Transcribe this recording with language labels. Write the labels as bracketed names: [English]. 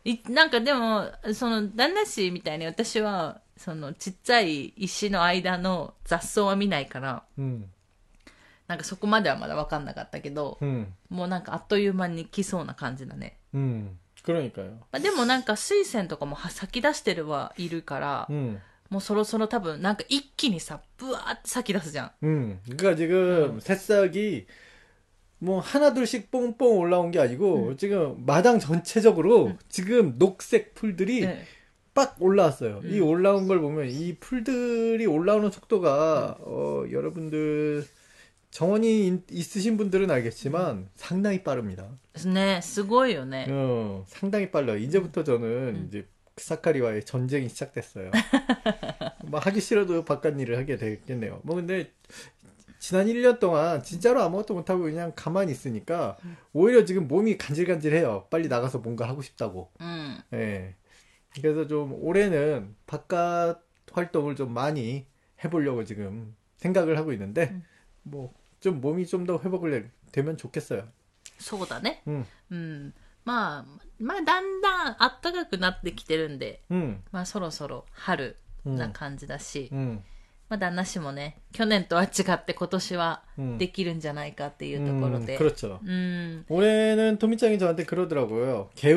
[Japanese] なんかでも、旦那氏みたいに私は、ちっちゃい石の間の雑草は見ないから、なんかそこまではまだ分かんなかったけど、もうなんかあっという間に来そうな感じだね。 [Korean] 그러니까요. [Japanese] まあ、でもなんか水仙とかも咲き出してるはいるから、もうそろそろ多分なんか一気にさ、ブワーって咲き出すじゃん。 [Korean] 그러니까 지금 새싹이 뭐 하나둘씩 뽕뽕 올라온 게 아니고 지금 마당 전체적으로 지금 녹색 풀들이 빡 올라왔어요. 이 올라온 걸 보면 이 풀들이 올라오는 속도가 여러분들 정원이 있으신 분들은 알겠지만 상당히 빠릅니다. [Japanese] 네, すごいよね。 [Korean] 상당히 빨라요. 이제부터 저는 이제 크사카리와의 전쟁이 시작됐어요. 뭐 하기 싫어도 바깥 일을 하게 되겠네요. 뭐 근데 지난 1년 동안 진짜로 아무것도 못하고 그냥 가만히 있으니까 오히려 지금 몸이 간질간질해요. 빨리 나가서 뭔가 하고 싶다고. 예. 그래서 좀 올해는 바깥 활동을 좀 많이 해보려고 지금 생각을 하고 있는데, 뭐, 좀 몸이 좀더 회복을 되면 좋겠어요. [Japanese] そうだね。まあ、だんだん暖かくなってきてるんで、まあ、そろそろ春な感じだし、まあ、旦那氏もね、去年とは違って今年はできるんじゃないかっていうところで。 [Korean] 그렇죠. 올해는 토미짱이 저한테 그러더라고요.